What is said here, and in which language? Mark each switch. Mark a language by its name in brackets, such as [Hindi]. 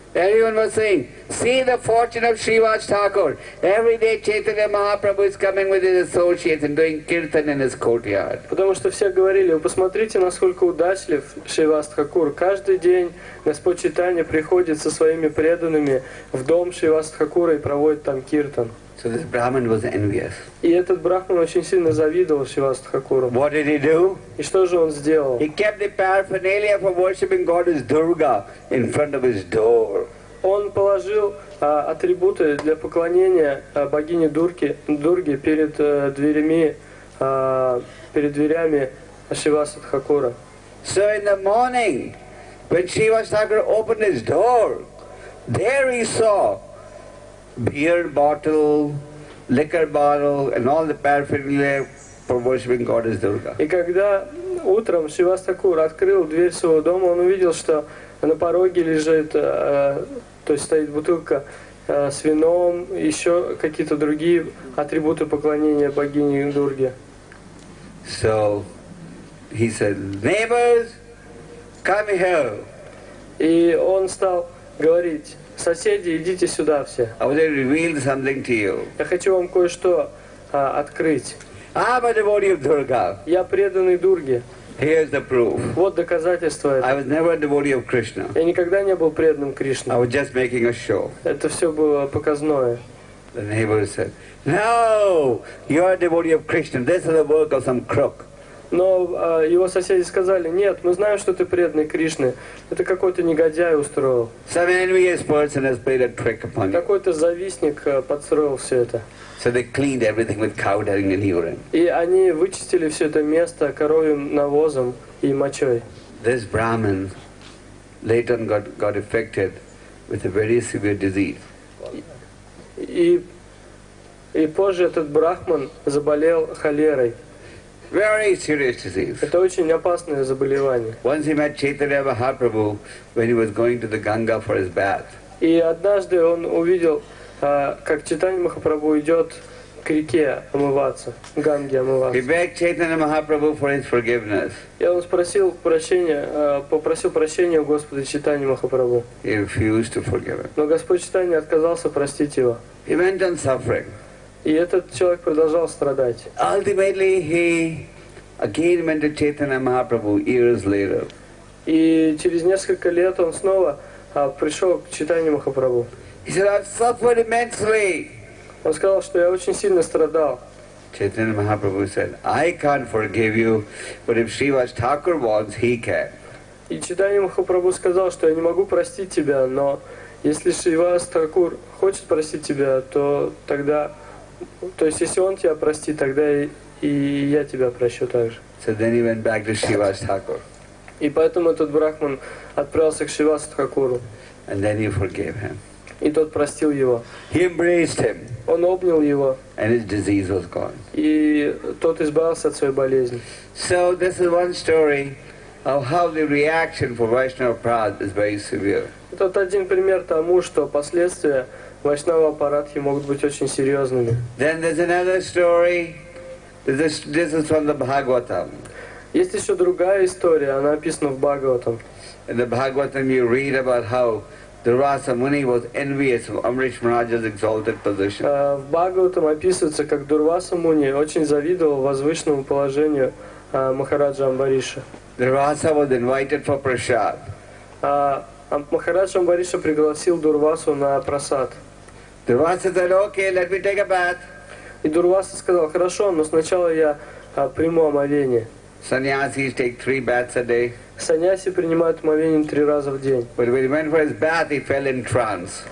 [English] Everyone was saying, see the fortune of Srivaj Thakur. Every day Chaitanya Mahaprabhu is coming with his associates and doing kirtan in his courtyard. [Russian] Потому что все говорили, вы посмотрите, насколько удачлив Шриваш Тхакур. Каждый день Господь Чайтанья приходит со своими преданными в дом Шриваш Тхакура и проводит там киртан. [English] So this Brahman was envious. [Russian] И этот брахман очень сильно завидовал Шриваш Тхакуру. [English] What did he do? [Russian] И что же он сделал? [English] He kept the paraphernalia for worshipping goddess Durga in front of his door. [Russian] Он положил атрибуты для поклонения богине Дурге перед дверями Шриваша Тхакура. [English] So in the morning, when Шриваш Тхакур opened his door, there he saw beer bottle, liquor bottle, and all the paraphernalia for worshiping goddess Durga. [Russian] И когда утром Шриваш Тхакур открыл дверь своего дома, он увидел, что на пороге лежит то есть стоит бутылка с вином, еще какие-то другие атрибуты поклонения богине Дурге. [English] So he said, neighbors, come here. [Russian] И он стал говорить, соседи, идите сюда все. [English] I want to reveal something to you. [Russian] Я хочу вам кое-что открыть. [English] I'm a devotee of Durga. [Russian] Я преданный Дурге. [English] Here's the proof. [Russian] Вот доказательство это. [English] I was never a devotee of Krishna. [Russian] Я никогда не был преданным Кришне. [English] I was just making a show. [Russian] Это все было показное. [English] The neighbor said, "No, you are a devotee of Krishna. This is the work of some crook." [Russian] Но его соседи сказали, нет, мы знаем, что ты преданный Кришне. Это какой-то негодяй устроил. [English] Some envious person has played a trick upon you. [Russian] Какой-то завистник подстроил все это. [English] So they cleaned everything with cow dung and urine. [Russian] И они вычистили все это место коровьим навозом и мочой. [English] This Brahmin later on got affected with a very severe disease. [Russian] И позже этот брахман заболел холерой. [English] Very serious disease. [Russian] Это очень опасное заболевание. [English] Once he met Chaitanya Mahaprabhu when he was going to the Ganga for his bath. [Russian] И однажды он увидел, как Чайтанья Махапрабху идет к реке омываться, Ганге омываться. [English] He begged Chaitanya Mahaprabhu for his forgiveness. [Russian] И он попросил прощения у Господа Чайтанья Махапрабху. [English] He refused to forgive him. [Russian] Но Господь Чайтанья отказался простить его. [English] He went on suffering. [Russian] И этот человек продолжал страдать. [English] Ultimately, he again went to Chaitanya Mahaprabhu years later. [Russian] И через несколько лет он снова пришел к Чайтанья Махапрабху. [English] He said, "I've suffered immensely." [Russian] Он сказал, что я очень сильно страдал. [English] Chaitanya Mahaprabhu said, "I can't forgive you, but if Srivas Thakur wants, he can." [Russian] И Чайтанья Махапрабху сказал, что я не могу простить тебя, но если Шривас Тхакур хочет простить тебя, то тогда, то есть если он тебя простит, тогда и я тебя прощу также. [English] So then he went back to Srivas Thakur. [Russian] И поэтому этот брахман отправился к Шривас Тхакуру. [English] And then he forgave him. [Russian] И тот простил его. [English] He embraced him. [Russian] Он обнял его. [English] And his disease was gone. [Russian] И тот избавился от своей болезни. [English] So this is one story of how the reaction for Vaishnava Prad is very severe. [Russian] Это один пример тому, что последствия Вайшнава Апаратхи могут быть очень серьезными. [English] Then there's another story. This is from the Bhagavatam. [Russian] Есть еще другая история, она описана в Бхагаватам. [English] In the Bhagavatam you read about how Durvasa Muni was envious of Amrish Maharaja's exalted position. [Russian] В Бхагаватам описывается, как Дурваса Муни очень завидовал возвышенному положению Махараджа Амбариша. [English] Дурваса was invited for prasad. [Russian] Махараджа Амбариша пригласил Дурвасу на прасад. [English] Дурваса said, "Okay, let me take a bath." [Russian] И Дурваса сказал, хорошо, но сначала я приму омовение. [English] Sannyasis take 3 baths a day. [Russian] Саньяси принимают омовение 3 раза в день. [English] But when he went for his bath, he fell in trance.